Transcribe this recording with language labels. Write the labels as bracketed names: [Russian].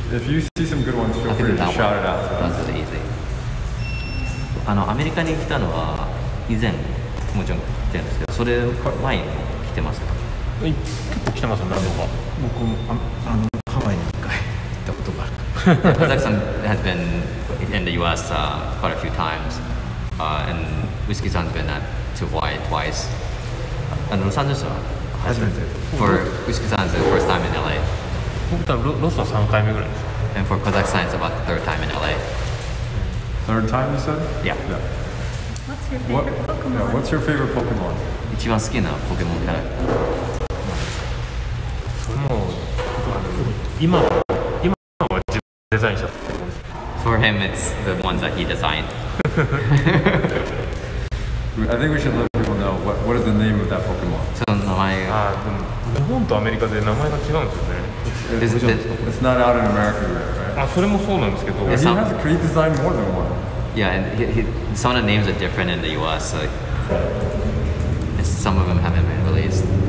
[English] If you see some good ones, feel free to shout it out. That's really easy. [Japanese] あのアメリカに来たのは以前もちろん来てるんですけど、それ前にも来てますか？結構来てますよ、何度か。僕もあのハワイに一回行ったことがある。 [English] Kozaki さん has been in the US quite a few times, and Whiskey さん has been at to Hawaii twice. [Japanese] あのロサンゼルスは初めて。 [English] For Whiskey さん is the first time in LA. [Japanese] 僕多分ロスは3回目ぐらいです。 [English] And for Kozaki さん is about the third time in LA. Third time you said? Yeah. What's your favorite Pokemon? Yeah, what's your favorite Pokemon? [Japanese] 一番好きな Pokemon キャラ。その、今はデザインした。 [English] For him, it's the ones that he designed. I think we should let people know what is the name of that Pokemon. [Japanese] その名前が。日本とアメリカで名前が違うんですよね。 [English] It's not out in America yet, right? [Japanese] あ、それもそうなんですけど。 [English] Yeah, he has great design more than one. Yeah, and some of the names are different in the US, so some of them haven't been released.